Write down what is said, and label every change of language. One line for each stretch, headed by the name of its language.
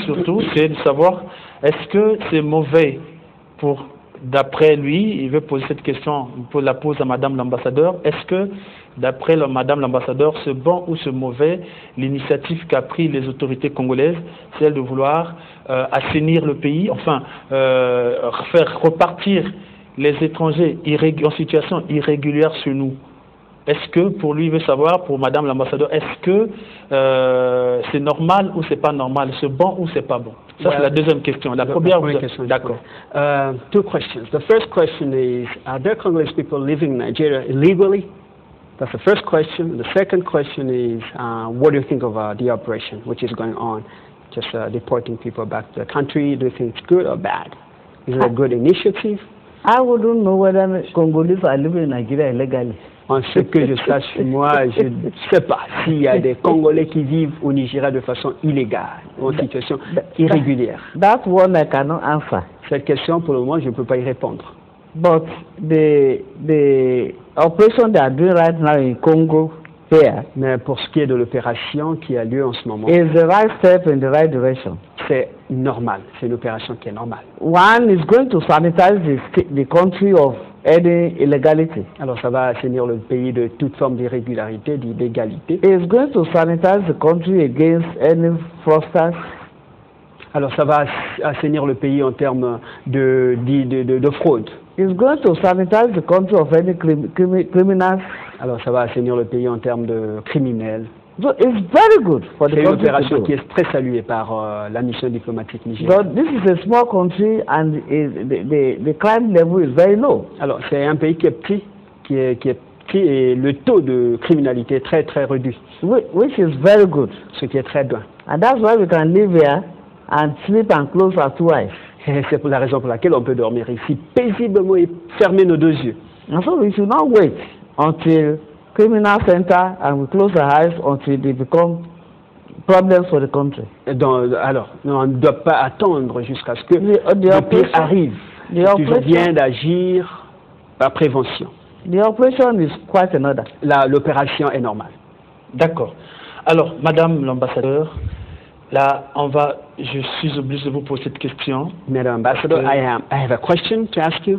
French: surtout, c'est de savoir est-ce que c'est mauvais pour, d'après lui, il veut poser cette question, pour la pose à Madame l'ambassadeur, est-ce que, d'après Madame l'ambassadeur, c'est bon ou c'est mauvais l'initiative qu'a pris les autorités congolaises, celle de vouloir assainir le pays, faire repartir les étrangers en situation irrégulière chez nous? Est-ce que, pour lui, il veut savoir, pour Madame l'ambassadeur, est-ce que c'est normal ou c'est pas normal, c'est bon ou c'est pas bon? Ça, c'est la deuxième question. La première question. D'accord.
English: Two questions. The first question is, are there Congolese people living in Nigeria illegally? That's the first question. The second question is, what do you think of the operation which is going on, just deporting people back to the country? Do you think it's good or bad? Is it a good initiative? I wouldn't know whether Congolese are living in Nigeria illegally.
French: En ce que je sache, moi, je ne sais pas s'il y a des Congolais qui vivent au Nigeria de façon illégale, en situation irrégulière.
English: That one I cannot answer.
French: Cette question, pour le moment, je ne peux pas y répondre.
English: But the operation they are doing right now in Congo here.
French: Mais pour ce qui est de l'opération qui a lieu en ce moment.
English: Is the right step in the right direction.
French: C'est normal. C'est une opération qui est normale.
English: One is going to sanitize the country of any illegality.
French: Alors ça va assainir le pays de toute forme d'irrégularité, d'illégalité.
English: It's going to sanitize the country against any fraudsters.
French: Alors ça va assainir le pays en termes de fraude.
English: It's going to sanitize the country of any criminals.
French: Alors ça va assainir le pays en termes de criminels.
English: So it's very good for
French: c'est
English: the
French: une opération qui est très saluée par la mission diplomatique nigérienne. Alors, c'est un pays qui est petit et le taux de criminalité est très très réduit.
English: Which is very good.
French: Ce qui est très bien.
English: And that's why we can live here and sleep and close our two eyes.
French: Et c'est pour la raison pour laquelle on peut dormir ici paisiblement et fermer nos deux yeux.
English: And so we should not wait until criminal center and we close our eyes until they become problems for the country.
French: Alors, on ne doit pas attendre jusqu'à ce que le pire arrive. Tu viens d'agir par prévention.
English: The operation is quite another.
French: L'opération est normale. D'accord. Alors, Madame l'ambassadeur, je suis obligé de vous poser cette question.
English: Madame l'ambassadeur, I have a question to ask you.